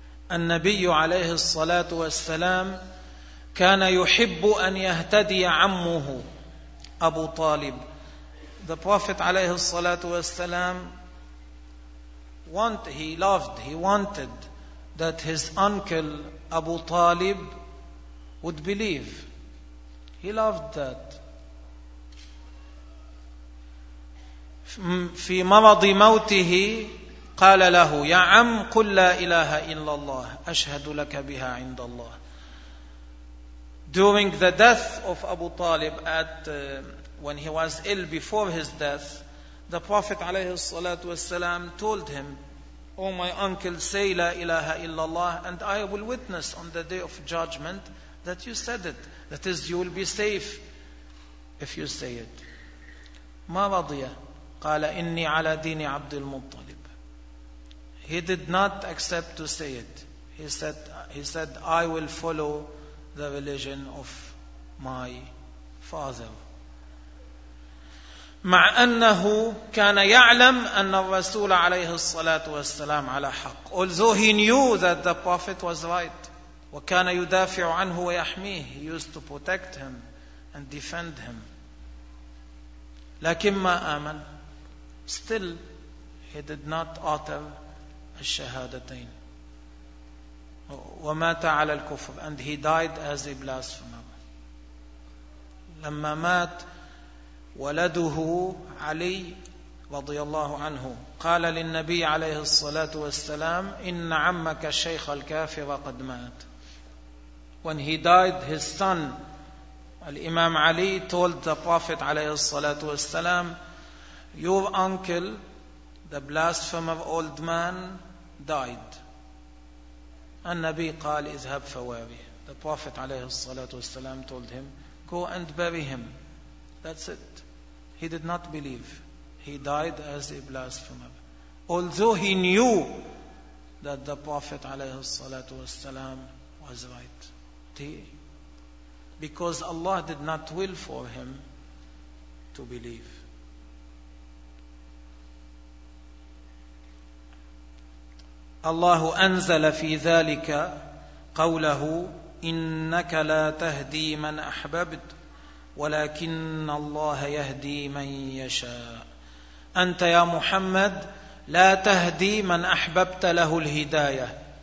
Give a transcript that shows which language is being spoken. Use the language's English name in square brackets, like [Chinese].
[Arabic] النبي عليه الصلاة والسلام كان يحب أن يهتدي عمه أبو طالب. [English] The Prophet [Arabic] عليه الصلاة والسلام [English] wanted that his uncle Abu Talib would believe. He loved that. [Arabic] في مرض موته قال له يا عم قل لا إله إلا الله أشهد لك بها عند الله. [English] During the death of Abu Talib, when he was ill before his death, the Prophet [Arabic] عليه الصلاة والسلام [English] told him, oh my uncle, say [Arabic] لا إله إلا الله [English] and I will witness on the day of judgment that you said it. That is, you will be safe if you say it. [Arabic] ما رضي قال إني على دين عبد المطلب. [English] He did not accept to say it. He said, I will follow the religion of my father. [Arabic] مع أنه كان يعلم أن الرسول عليه الصلاة والسلام على حق. [English] Although he knew that the Prophet was right. [Arabic] وكان يدافع عنه ويحميه. [English] He used to protect him and defend him. [Arabic] لكن ما آمن. [English] Still, he did not utter الشهادتين. [Arabic] ومات على الكفر. [English] And he died as a blasphemer. [Arabic] لما مات ولده علي رضي الله عنه قال للنبي عليه الصلاة والسلام إن عمك الشيخ الكافر قد مات. [English] When he died, his son, الإمام علي, told the Prophet [Arabic] عليه الصلاة والسلام, [English] your uncle, the blasphemer old man, died. [Arabic] النبي قال اذهب فواري. [English] The Prophet [Arabic] عليه الصلاة والسلام [English] told him, go and bury him. That's it. He did not believe. He died as a blasphemer. Although he knew that the Prophet [Arabic] عليه الصلاة والسلام [English] was right. Because Allah did not will for him to believe. [Arabic] الله أنزل في ذلك قوله إنك لا تهدي من أحببت ولكن الله يهدي من يشاء. أنت يا محمد لا تهدي من أحببت له الهداية.